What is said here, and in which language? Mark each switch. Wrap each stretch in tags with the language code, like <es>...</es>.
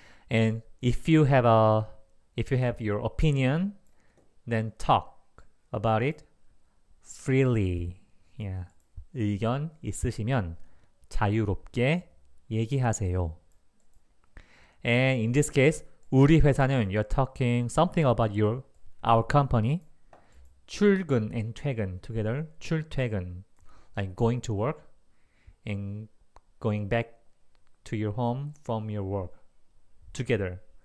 <en>And if you have your opinion, then talk about it freely. Yeah.</en> <ko>의견 있으시면 자유롭게 얘기하세요.</ko> <en>And in this case,</en> <ko>우리 회사는</ko> <en>you're talking something about our company. 출근 and 퇴근 together. 출퇴근. Like going to work and going back to your home from your work. Together.</en>